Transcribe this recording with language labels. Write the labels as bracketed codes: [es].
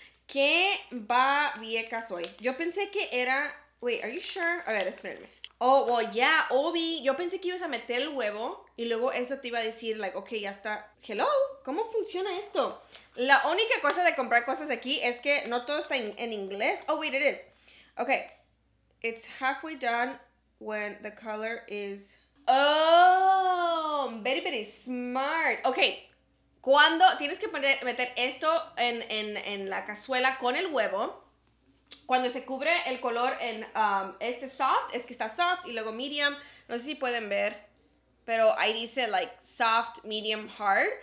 [es] ¿Qué babiecas hoy? Yo pensé que era... [en] Wait, are you sure? [es] A ver, espérenme. [en] Oh, well, yeah, Obi. [es] Yo pensé que ibas a meter el huevo y luego eso te iba a decir, [en] like, okay, [es] ya está. Hello, ¿cómo funciona esto? La única cosa de comprar cosas aquí es que no todo está en inglés. [en] Oh, wait, it is. Okay, it's halfway done when the color is... Oh, very, very smart. [es] Okay, cuando tienes que meter esto en la cazuela con el huevo, cuando se cubre el color en este soft, es que está soft, y luego medium, no sé si pueden ver, pero ahí dice, [en] like, soft, medium, hard.